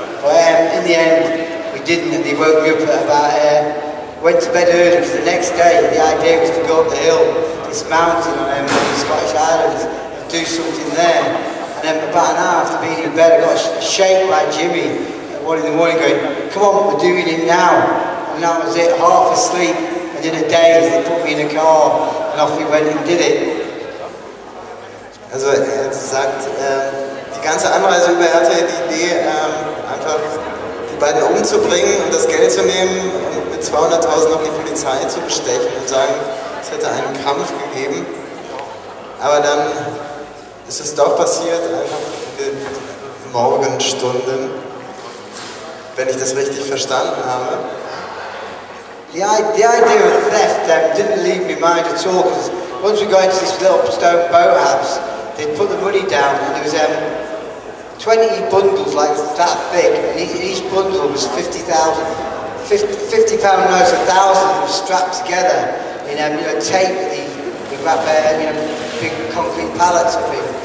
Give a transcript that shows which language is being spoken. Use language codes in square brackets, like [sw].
[en] But in the end, we didn't, and they woke me up went to bed early, because the next day the idea was to go up the hill, this mountain on the Scottish Islands, and do something there. And then about an hour after being in bed, I got a shake like Jimmy at 1 in the morning going, come on, we're doing it now. And that was it, half asleep, and in a daze, they put me in a car, and off we went and did it. [de] Also, gesagt, die ganze Anreise über, hatte die Idee, einfach die beiden umzubringen und das Geld zu nehmen und mit 200.000 noch die Polizei zu bestechen und sagen, es hätte einen Kampf gegeben. Aber dann ist es doch passiert, einfach in den Morgenstunden, wenn ich das richtig verstanden habe. [en] The idea of theft didn't leave my mind at all, because once we got into this little stone boathouse, they'd put the money down and there was 20 bundles like that thick, and each bundle was 50,000, 50 pound notes, 1,000 of them strapped together in tape that they wrap big concrete pallets of it.